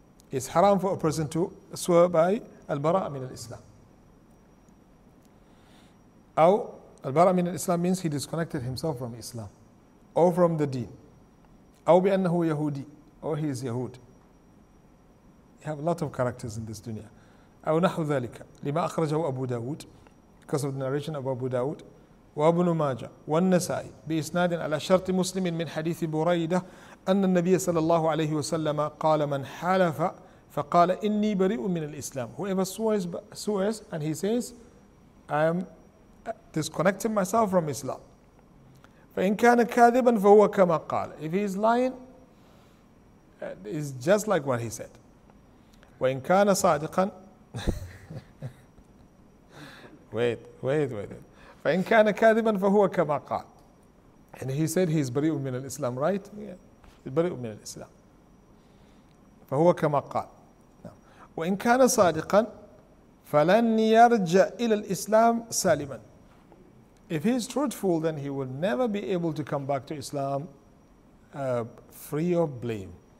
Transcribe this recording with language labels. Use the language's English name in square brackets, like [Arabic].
[English] It's haram for a person to swear by [Arabic] البراءة من الإسلام. أو البراءة من الإسلام [English] means he disconnected himself from Islam or from the deen. [Arabic] أو بأنه يهودي [English] or he is [Arabic] يهود. [English] You have a lot of characters in this dunya. [Arabic] أو نحو ذلك لما أخرجه أبو داود [English] because of the narration of Abu Dawood [Arabic] وابن ماجه والنسائي بإسناد على شرط مسلم من حديث بريدة أن النبي صلى الله عليه وسلم قال من حلف فقال إني بريء من الإسلام. [English] Whoever swears and he says I am disconnecting myself from Islam. [Arabic] فإن كان كاذبا فهو كما قال. [English] If he is lying, it's just like what he said. [Arabic] وإن كان صادقا [English] wait. [Arabic] فإن كان كاذبا فهو كما قال. [English] And he said he is [Arabic] بريء من الإسلام, [English] right? [Arabic] Yeah. بريء من الإسلام. فهو كما قال. وإن كان صادقا فلن يرجع إلى الإسلام سالما. [English] If he is truthful, then he will never be able to come back to Islam free of blame.